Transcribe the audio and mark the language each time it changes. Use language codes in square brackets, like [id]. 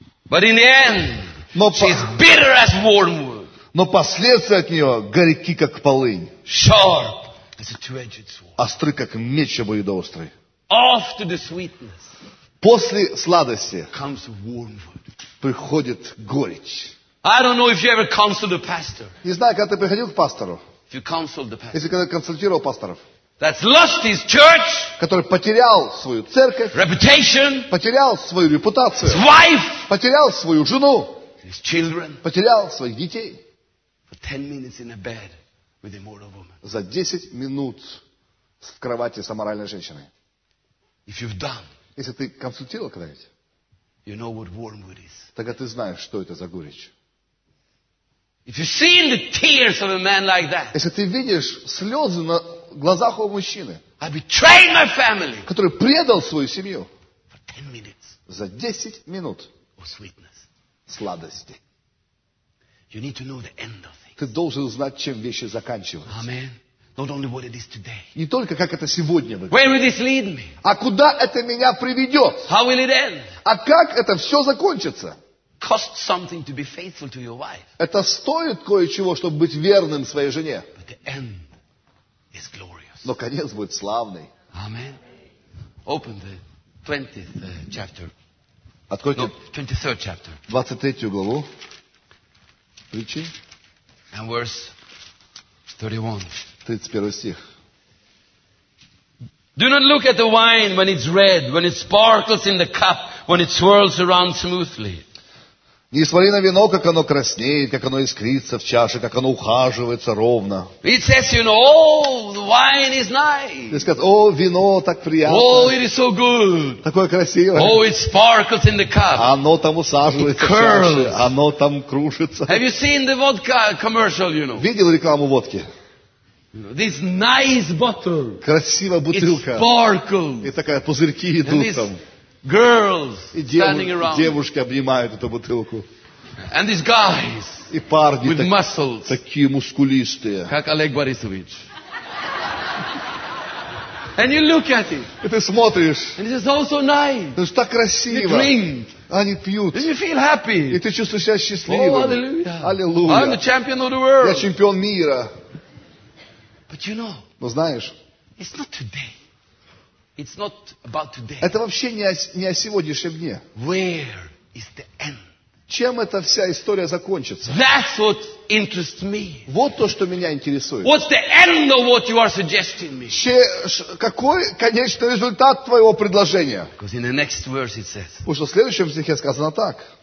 [en] But in the end, she's bitter as wormwood. [ru] Но последствия от нее горьки, как полынь. [en] Sharp as a two-edged sword. [ru] Остры, как меч обоюдоострый. [en] Off to the sweetness. [ru] После сладости [en] comes wormwood. [ru] Приходит горечь. [en] I don't know if you ever counseled a pastor. [ru] Не знаю, когда ты приходил к пастору. [en] If you counseled the pastor. [ru] Если когда консультировал пасторов. [en] That's lost his church. [ru] Который потерял свою церковь. [en] Reputation. [ru] Потерял свою репутацию. [en] His wife. [ru] Потерял свою жену. [en] His children. [ru] Потерял своих детей. [en] For 10 minutes in a bed with a moral woman. [ru] За 10 минут в кровати с аморальной женщиной. [en] If you've done. [ru] Если ты консультировал когда-нибудь. [en] You know what wormwood is. [ru] Тогда ты знаешь, что это за горечь. [en] If you've seen the tears of a man like that, [ru] если ты видишь слезы на глазах у мужчины, [en] I betrayed my family, [ru] который предал свою семью [en] for 10 minutes, [ru] за 10 минут [en] of sweetness, [ru] сладости, [en] you need to know the end of things. [ru] Ты должен знать, чем вещи заканчиваются. [en] Amen. Not only what it is today. [ru] Не только как это сегодня выглядит. [en] Where will this lead me? [ru] А куда это меня приведет? [en] How will it end? [ru] А как это все закончится? [en] Cost something to be faithful to your wife. [ru] Это стоит кое-чего, чтобы быть верным своей жене. [en] But the end is glorious. [ru] Но конец будет славный. [en] Amen. Open the 20th chapter. [ru] Откройте. [en] No, 23rd chapter. [ru] 23 главу. Притчи. [en] And verse 31. [ru] 31 стих. [en] Do not look at the wine when it's red, when it sparkles in the cup, when it swirls around smoothly. [ru] Не смотри на вино, как оно краснеет, как оно искрится в чаше, как оно ухаживается ровно. [en] It says, you know, oh, the wine is nice. [ru] И сказать, о, вино так приятно. [en] Oh, it is so good. [ru] Такое красивое. [en] Oh, it sparkles in the cup. [ru] Оно там усаживается в чаше, оно там кружится. [en] Have you seen the vodka commercial, you know? [ru] Видел рекламу водки? [en] This nice bottle. [ru] Красивая бутылка. [en] It sparkles. [ru] И такая пузырьки идут там. [en] Girls standing around. [ru] И девушки обнимают эту бутылку. [en] And these guys. [ru] И парни with muscles. Такие мускулистые. Как Олег Борисович. [en] And you look at it. [ru] И ты смотришь. [en] And it is also nice. [ru] Это же так красиво. [en] They drink. [ru] Они пьют. [en] And you feel happy. [ru] И ты чувствуешь себя счастливым. [en] Oh, hallelujah. [ru] Аллилуйя. [en] I'm the champion of the world. [ru] Я чемпион мира. [en] But you know, [ru] но знаешь, [en] it's not today. It's not about today. [ru] Это вообще не о сегодняшнем дне. Where is the end? Чем эта вся история закончится? That's what interests me. Вот то, что меня интересует. What's the end of what you are suggesting me? Какой конечный результат твоего предложения? Because in the next verse it says. Потому что в следующем стихе сказано так.